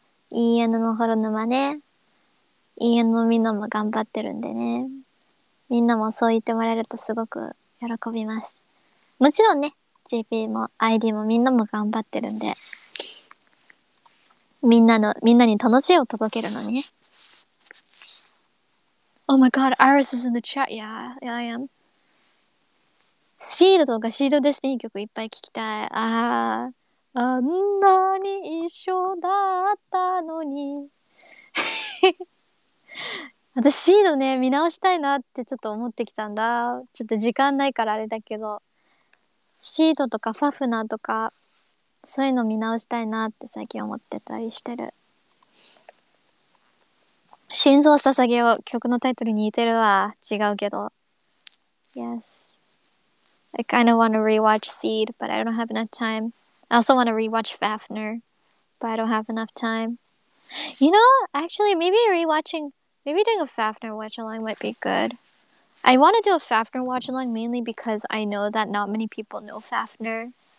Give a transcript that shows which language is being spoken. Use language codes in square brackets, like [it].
[ja] 陰影の幌沼ね。陰影のみんなも頑張ってるんでね。みんなもそう言ってもらえるとすごく喜びます。もちろんね、JP も ID もみんなも頑張ってるんで。みんなに楽しいを届けるのにね。 [en] Oh my god, Iris is in the chat. Yeah, I am. [ja] シードとかシードデスティニー曲いっぱい聴きたい。あー、あんなに一緒だったのに。私シードね、見直したいなってちょっと思ってきたんだ。ちょっと時間ないからあれだけど、シードとかファフナーとかそういうの見直したいなって最近思ってたりしてる。心臓を捧げよう、曲のタイトルに似てるわ。違うけど。 [en] Yes, I kind of want to rewatch Seed, but I don't have enough time. I also want to rewatch Fafner, but I don't have enough time. You know, actually, maybe doing a Fafner watch along might be good. I want to do a Fafner watch along mainly because I know that not many people know Fafner.